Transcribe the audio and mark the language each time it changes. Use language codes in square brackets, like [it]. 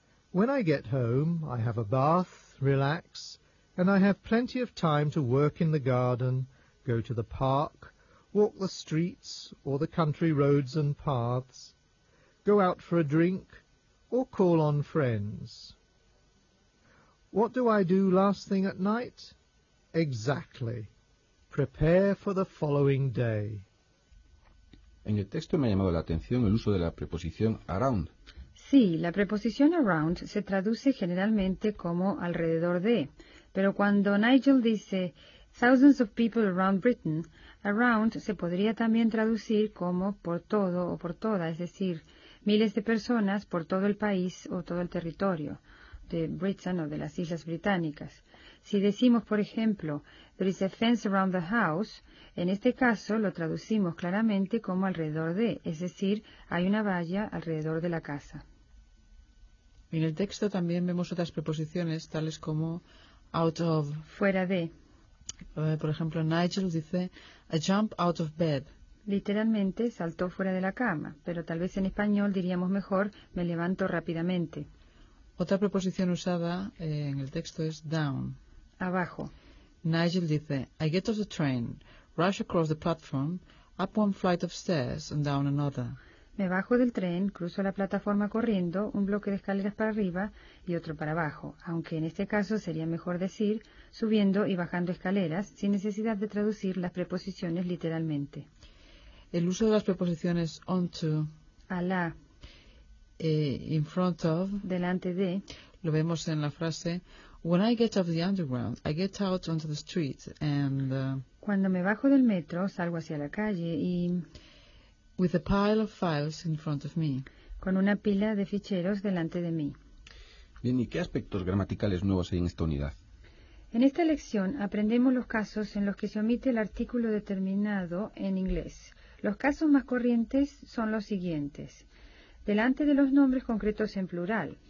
[en] When I get home, I have a bath, relax, and I have plenty of time to work in the garden, go to the park, walk the streets or the country roads and paths, go out for a drink, or call on friends. What do I do last thing at night? Exactly. Prepare for the following day. [es] En el texto me ha llamado la atención el uso de la preposición around. Sí, la preposición around se traduce generalmente como alrededor de. Pero cuando Nigel dice [en] thousands of people around Britain, [es] around se podría también traducir como por todo o por toda, es decir, miles de personas por todo el país o todo el territorio de Britain o de las Islas Británicas. Si decimos, por ejemplo, [en] there is a fence around the house, [es] en este caso lo traducimos claramente como alrededor de, es decir, hay una valla alrededor de la casa. En el texto también vemos otras preposiciones, tales como out of, fuera de. Por ejemplo, Nigel dice, [en] I jump out of bed. [es] Literalmente, saltó fuera de la cama, pero tal vez en español diríamos mejor, me levanto rápidamente. Otra preposición usada en el texto es down. Abajo. Nigel dice, [en] I get off the train, rush across the platform, up one flight of stairs and down another. [es] Me bajo del tren, cruzo la plataforma corriendo, un bloque de escaleras para arriba y otro para abajo, aunque en este caso sería mejor decir subiendo y bajando escaleras sin necesidad de traducir las preposiciones literalmente. El uso de las preposiciones onto, a la, [en] in front of, [es] delante de, lo vemos en la frase [en] when I get off the underground, I get out onto the street and [es] cuando me bajo del metro, salgo hacia la calle y [en] with a pile of files in front of me, [es] con una pila de ficheros delante de mí. Bien, ¿y qué aspectos gramaticales nuevos hay en esta unidad? En esta lección aprendemos los casos en los que se omite el artículo determinado en inglés. Los casos más corrientes son los siguientes. Delante de los nombres concretos en plural.